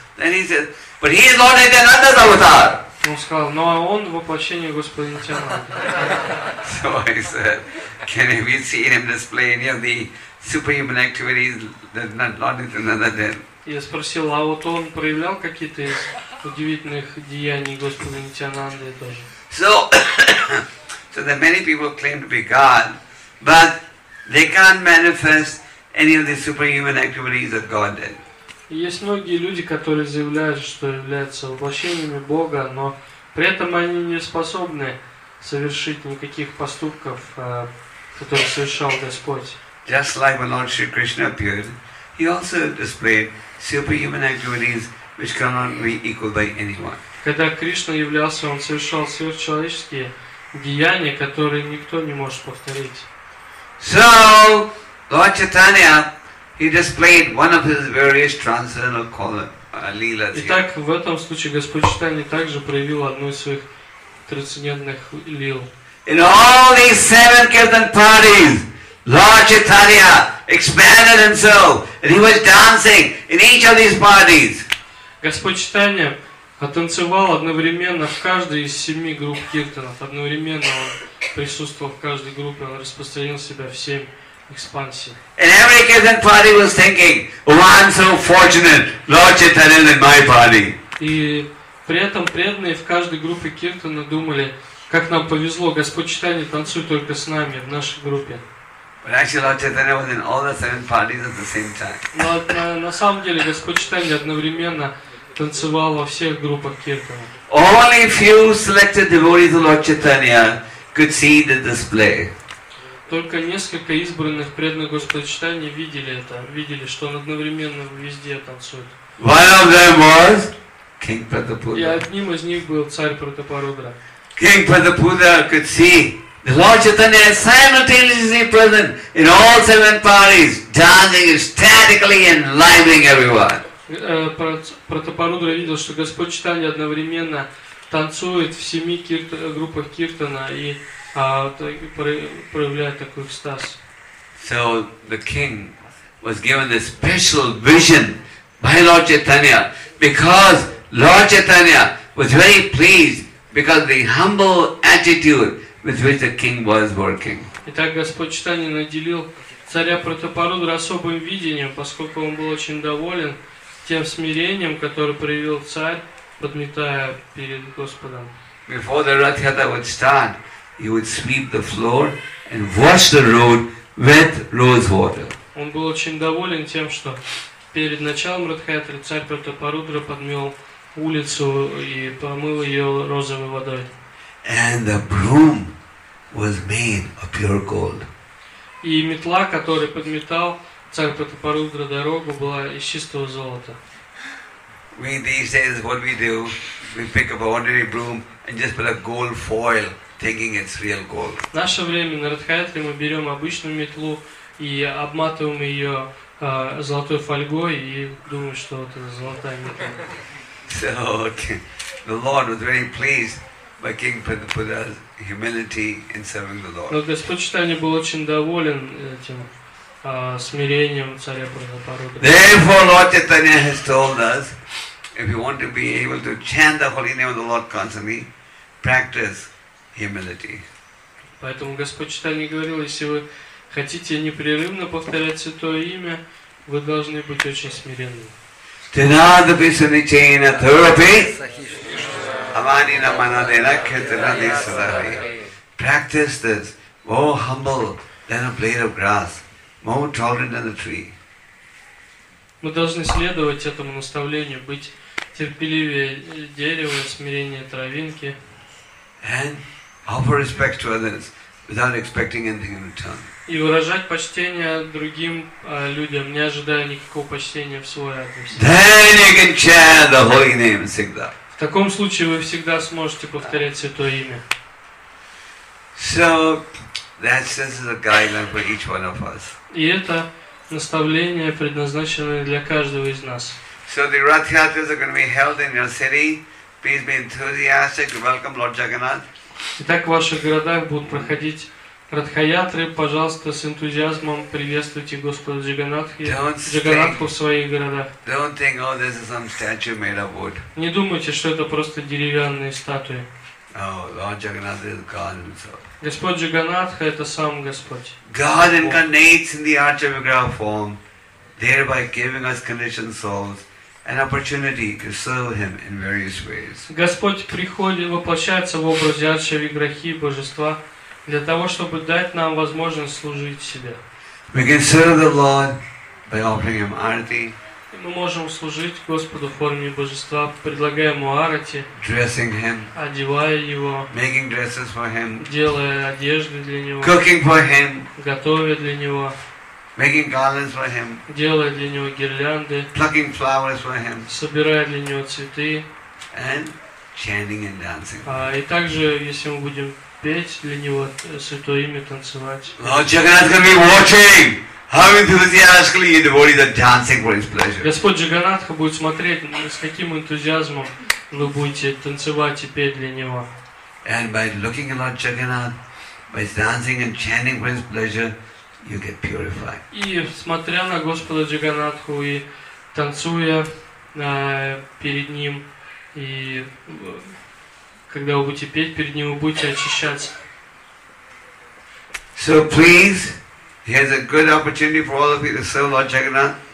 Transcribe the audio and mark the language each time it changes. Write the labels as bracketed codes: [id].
[en] Then he said, but he is Lord Nityananda's avatar. [ru] Он сказал, ну а он воплощение Господа Нитянанды. [en] So I said, can we see him display any of the superhuman activities that Lord Nityananda did? [ru] Я спросил, а вот он проявлял какие-то из удивительных деяний Господа Нитянанды тоже? [en] So there are many people claim to be God, but they can't manifest any of the superhuman activities that God did. [ru] Есть многие люди, которые заявляют, что являются воплощениями Бога, но при этом они не способны совершить никаких поступков, которые совершал Господь. [en] Just like when Lord Shri Krishna appeared, he also displayed superhuman activities which cannot be equaled by anyone. [ru] Когда Кришна являлся, он совершал сверхчеловеческие деяния, которые никто не может повторить. [en] So, Lord Chaitanya, he displayed one of his various transcendental qualities. [ru] Итак, в этом случае Господь Чайтанья также проявил одну из своих трансцендентных лил. [en] In all these seven kirtan parties, Lord Chaitanya expanded himself, and he was dancing in each of these parties. [ru] Господь Чайтанья танцевал одновременно в каждой из семи групп киртанов. Одновременно он присутствовал в каждой группе, он распространил себя в семь экспансий. [en] And every kirtan party was thinking, oh, I'm so fortunate, Lord Chaitanya in my party. [ru] И при этом преданные в каждой группе киртана думали, как нам повезло, Господь Чайтанья танцует только с нами в нашей группе. [en] But actually, Lord Chaitanya was in all the seven parties at the same time. [ru] Но на самом деле Господь Чайтанья одновременно танцевал во всех группах киртана. [en] Only few selected devotees of Lord Chaitanya could see the display. [ru] Только несколько избранных преданных Господа Чайтанья видели, что он одновременно везде танцует. [en] One of them was King Pratapudra. [ru] И одним из них был царь Пратапарудра. [en] King Pratapudra could see the Lord Chaitanya is simultaneously present in all seven parties, dancing ecstatically and enlivening everyone. [ru] Пратапарудра видел, что Господь Чайтанья одновременно танцует в семи группах киртана и проявляет такой экстаз. [en] So the king was given a special vision by Lord Chaitanya because Lord Chaitanya was very pleased because of the humble attitude with which the king was working. [ru] Итак, Господь Чайтанья наделил царя Пратапарудру особым видением, поскольку он был очень доволен тем смирением, которое проявил царь, подметая перед Господом. [en] Before the Rath Yatra would start, he would sweep the floor and wash the road with rose water. [ru] Он был очень доволен тем, что перед началом Ратха Ятры царь Пратапарудра подмел улицу и помыл ее розовой водой. [en] And the broom was made of pure gold. [ru] И метла, которую подметал царь Пратапарудра дорогу, была из чистого золота. [en] We these days, what we do, we pick up an ordinary broom and just put a gold foil, thinking it's real gold. [ru] В наше время на Радхаятре мы берем обычную метлу и обматываем ее золотой фольгой и думаем, что вот это золотая метла. [en] So, okay. The Lord was very pleased by King Pratapudra's humility in serving the Lord. [ru] Но Господь Чайтанья был очень доволен этим смирением царя Пратапарудры. [en] Therefore, Lord Chaitanya has told us, if you want to be able to chant the holy name of the Lord constantly, practice humility. [ru] Поэтому Господь Чайтанья говорил, если вы хотите непрерывно повторять святое имя, вы должны быть очень смиренными. [sa] Tinadapi sunichena thurapi avanina manadena khetanadi sadahi. [en] Practice this. Oh, humble than a blade of grass, more tolerant than a tree. [ru] Мы должны следовать этому наставлению, быть терпеливее дерева, смирение травинки. [en] And offer respect to others without expecting anything in return. [ru] И выражать почтение другим людям, не ожидая никакого почтения в свой адрес. [en] Then you can chant the holy name [ru] всегда. В таком случае вы всегда сможете повторять святое имя. [en] So that's just a guideline for each one of us. [ru] И это наставление, предназначенное для каждого из нас. [en] So the Rath Yatras are going to be held in your city. Please be enthusiastic to welcome Lord Jagannath. [ru] Итак, в ваших городах будут проходить Радхаятры, пожалуйста, с энтузиазмом приветствуйте Господа Джаганатху в своих городах. [en] Don't think, oh, this is some statue made of wood. [ru] Не думайте, что это просто деревянные статуи. [en] Oh, Lord Jagannath is God himself. [ru] Господь Джаганатха – это сам Господь. [en] God incarnates in the Archavagraha form, thereby giving us conditioned souls an opportunity to serve him in various ways. [ru] Господь приходит, воплощается в образе Арчавиграхи, Божества, для того, чтобы дать нам возможность служить себе. [en] We can serve the Lord by offering him arati. [ru] Мы можем служить Господу в форме Божества, предлагая ему арати, [en] dressing him, [ru] одевая его, [en] making dresses for him, [ru] делая одежды для него, [en] cooking for him, [ru] готовя для него, [en] making garlands for him, [ru] делая для него гирлянды, [en] plucking flowers for him, [ru] собирая для него цветы, [en] and chanting and dancing. [ru] И также, если мы будем петь для него святое имя, танцевать. [en] Lord Jagannath can be watching how enthusiastically your devotees are dancing for his pleasure. [ru] Господь Джаганатха будет смотреть, с каким энтузиазмом вы будете танцевать и петь для него. [en] And by looking at Lord Jagannath, by dancing and chanting for his pleasure, you get purified. [ru] И смотря на Господа Джаганатху и танцуя перед ним, и когда вы будете петь перед ним, вы будете очищаться. [en] So please, here's a good opportunity for all of you to serve Lord Jagannath.